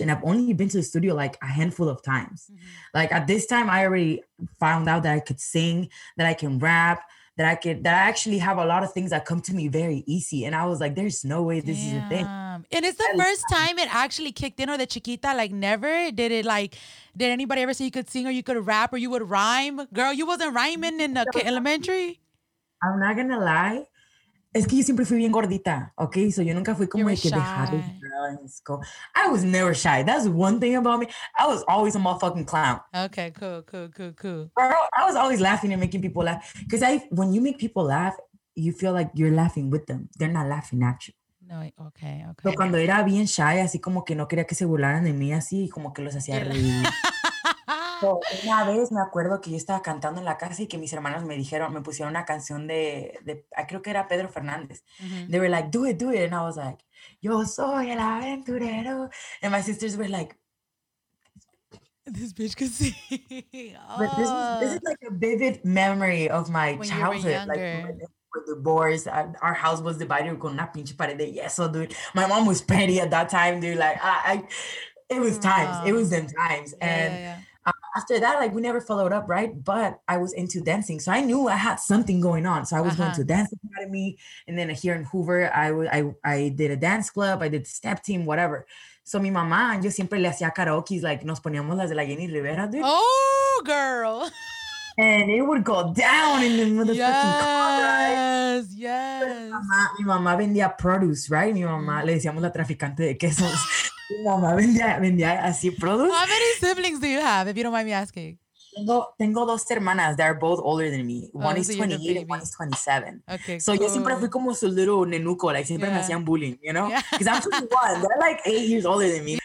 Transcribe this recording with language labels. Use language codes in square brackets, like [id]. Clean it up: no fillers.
[en] And I've only been to the studio like a handful of times. Mm-hmm. Like at this time, I already found out that I could sing, that I can rap, that I actually have a lot of things that come to me very easy. And I was like, there's no way this is a thing. And it's the first time it actually kicked in, or the chiquita, like never did it, like, did anybody ever say you could sing or you could rap or you would rhyme? Girl, you wasn't rhyming in elementary? I'm not gonna lie. [es] Es que yo siempre fui bien gordita, okay? So yo nunca fui como de que dejar de [en] girl in school. I was never shy. That's one thing about me. I was always a motherfucking clown. Okay, cool. Bro, I was always laughing and making people laugh. Because when you make people laugh, you feel like you're laughing with them. They're not laughing at you. No, okay. [es] Pero cuando era bien shy, así como que no quería que se burlaran de mí, así como que los hacía reír. So, una vez me acuerdo que yo estaba cantando en la casa y que mis hermanos me pusieron una canción de creo que era Pedro Fernández. [en] Mm-hmm. They were like, do it. And I was like, [es] yo soy el aventurero. [en] And my sisters were like, this bitch can sing. But this is like a vivid memory of my childhood. Like, the boys, our house was divided [es] con una pinche pared de yeso, [en] dude. My mom was petty at that time, dude. Like, it was them times. After that, like, we never followed up, right? But I was into dancing, so I knew I had something going on. So I was going to dance academy, and then here in Hoover, I did a dance club, I did step team, whatever. [es] So mi mamá, yo siempre le hacía karaoke, like, nos poníamos las de la Jenny Rivera, dude. [en] Oh, girl. And it would go down in the motherfucking yes, car, yes, yes. [es] Mi mamá vendía produce, right? Mi mamá, le decíamos la traficante de quesos. Mi mamá vendía así produce. [en] How many siblings do you have, if you don't mind me asking? [es] Tengo dos hermanas [en] that are both older than me. One is 28 and one is 27. Okay, so cool. [es] Yo siempre fui como su little nenuco, like siempre me hacían bullying, [en] you know? Because I'm 21, they're like 8 years older than me.